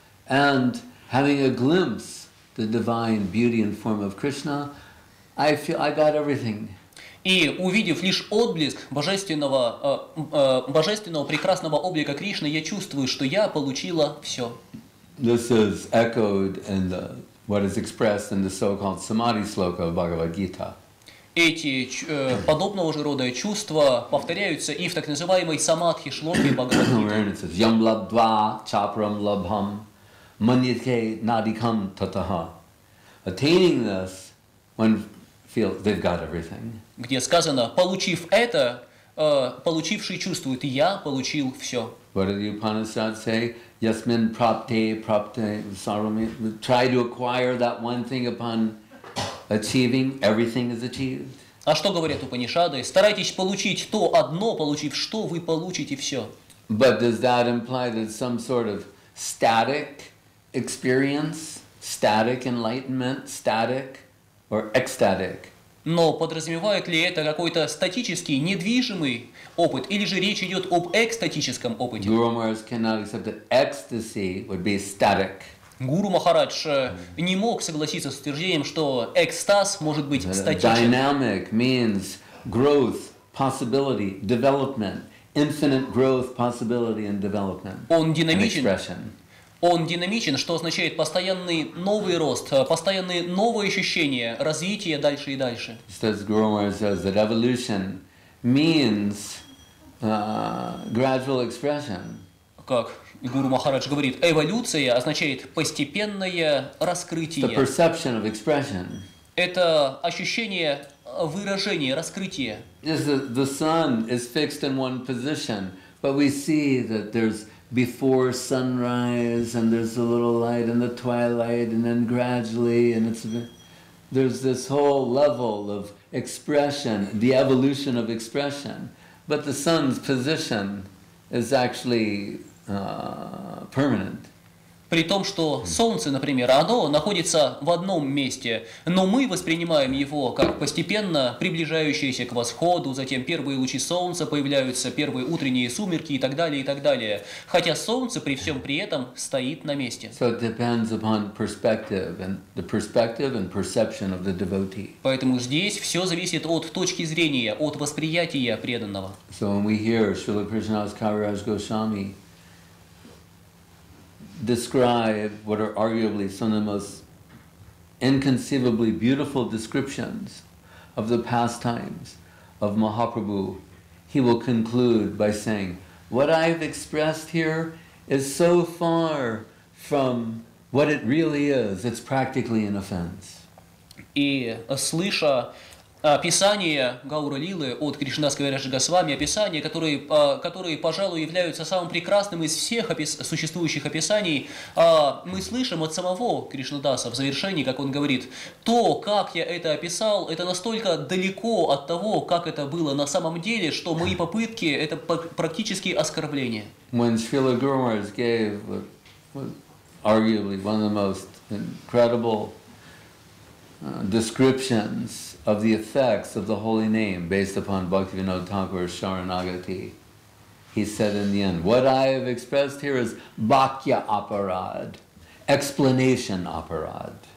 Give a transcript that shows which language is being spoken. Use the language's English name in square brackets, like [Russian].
[English] And having a glimpse the divine beauty and form of Krishna, I feel I got everything. [Russian] И увидев лишь отблеск божественного, божественного прекрасного облика Кришны, я чувствую, что я получила все. [English] This is echoed in the what is expressed in the so-called samadhi sloka of Bhagavad Gita. [Russian] Эти подобного же рода чувства повторяются и в так называемой самадхи шлоке Бхагавад [Sanskrit] Гиты. Yam labdva chapram labham manyate nadikam tataha. [English] Attaining this, one feels they've got everything. [Russian] Где сказано, получив это, получивший чувствует, я получил все. [English] What did the Upanishad say? [Sanskrit] Yasmin prapte prapte sarvami. [English] Try to acquire that one thing upon achieving, everything is achieved. [Russian] А что говорят Упанишады? Старайтесь получить то одно, получив что, вы получите все. [English] But does that imply that some sort of static experience, static enlightenment, static or ecstatic? [Russian] Но подразумевает ли это какой-то статический, недвижимый опыт, или же речь идет об экстатическом опыте? [English] Guru Maharaj cannot accept that ecstasy would be static. [Russian] Гуру Махарадж не мог согласиться с утверждением, что экстаз может быть статичным. [English] Dynamic means growth, possibility, development, infinite growth, possibility and development. [Russian] Он динамичен. Он динамичен, что означает постоянный новый рост, постоянные новые ощущения, развитие дальше и дальше. [English] Says, Guru Maharaj says that evolution means gradual expression. [Russian] Как Гуру Махарадж говорит, эволюция означает постепенное раскрытие. [English] The perception of expression. [Russian] Это ощущение выражение, раскрытие. [English] The sun is fixed in one position, but we see that there's before sunrise, and there's a little light in the twilight, and then gradually, and it's there's this whole level of expression, the evolution of expression. But the sun's position is actually permanent. [Russian] При том, что солнце, например, оно находится в одном месте, но мы воспринимаем его как постепенно приближающееся к восходу, затем первые лучи солнца появляются, первые утренние сумерки и так далее, и так далее. Хотя солнце при всем при этом стоит на месте. [English] So it depends upon perspective and the perspective and perception of the devotee. [Russian] Поэтому здесь все зависит от точки зрения, от восприятия преданного. [English] So when we hear Śrīla Kṛṣṇa's Kaviraj Gosvāmī describe what are arguably some of the most inconceivably beautiful descriptions of the pastimes of Mahāprabhu, he will conclude by saying, what I've expressed here is so far from what it really is, it's practically an offense. [Russian] И слыша описание Гаура-лилы от Кришнадаса-кавираджа Госвами, описание, которые, пожалуй, являются самым прекрасным из всех существующих описаний, мы слышим от самого Кришнадаса в завершении, как он говорит, то, как я это описал, это настолько далеко от того, как это было на самом деле, что мои попытки – это практически оскорбление. [English] When Śrīla Gurumārāja gave arguably one of the most incredible descriptions of the effects of the holy name based upon Bhaktivinoda Thakura's Sharanagati. He said in the end, what I have expressed here is bhakya aparad, explanation aparad.